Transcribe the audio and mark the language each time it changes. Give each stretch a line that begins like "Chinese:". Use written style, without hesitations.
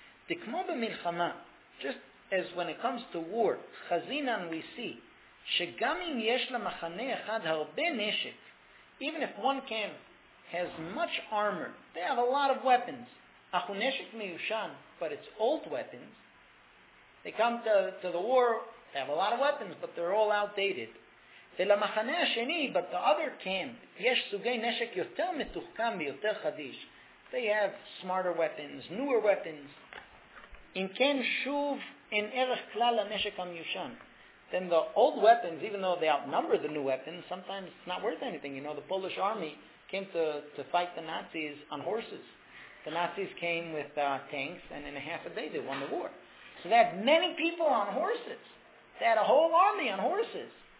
Hebrew: דכמו במלחמה,
English: just as when it comes to war,
Hebrew: חזינן
English: we see
Hebrew: שגם אם יש למחנה אחד הרבה נשק,
English: even if one camp has much armor, they have a lot of weapons,
Hebrew: אך הוא נשק מיושן,
English: but it's old weapons. They come to the war, they have a lot of weapons, but they're all outdated.
Hebrew: ולמחנה השני,
English: but the other camp,
Hebrew: יש סוגי נשק יותר מתוחכם ויותר חדיש.
English: They have smarter weapons, newer weapons.
Hebrew: אם כן, שוב, אין ערך כלל לנשק המיושן.
English: Then the old weapons, even though they outnumber the new weapons, sometimes it's not worth anything. You know, the Polish army came to fight the Nazis on horses. The Nazis came with tanks, and in a half a day they won the war. So they had many people on horses. They had a whole army on horses.